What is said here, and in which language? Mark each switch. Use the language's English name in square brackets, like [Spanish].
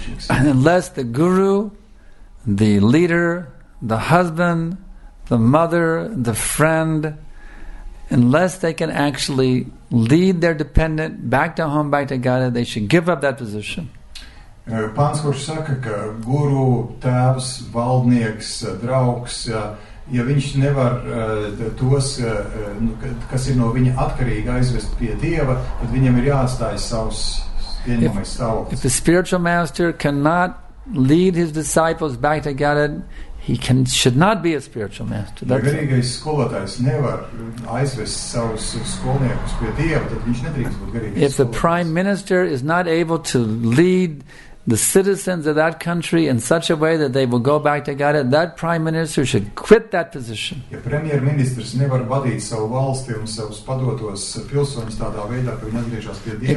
[English] And unless the guru, the leader, the husband, the mother, the friend, unless they can actually lead their dependent back to home, back to God, they should give up that position. [Latvian] Pāns, kurš saka, ka guru, tēvs, valdnieks, draugs, ja viņš nevar tos, kas ir no viņa atkarīgi, aizvest pie Dieva, tad viņam ir jāatstāj savus pieņemamais stāvoklis. [English] If the spiritual master cannot lead his disciples back to Godhead, should not be a spiritual master. [Latvian] Ja garīgais skolotājs nevar aizvest savus skolniekus pie Dieva, tad viņš nedrīkst būt garīgais [English] skolotājs. If the prime minister is not able to lead the citizens of that country in such a way that they will go back to God, that prime minister should quit that position. [Latvian] Ja premjerministrs nevar vadīt savu valsti un savus padotos pilsoņus tādā veidā, ka viņi atgriežas pie Dieva.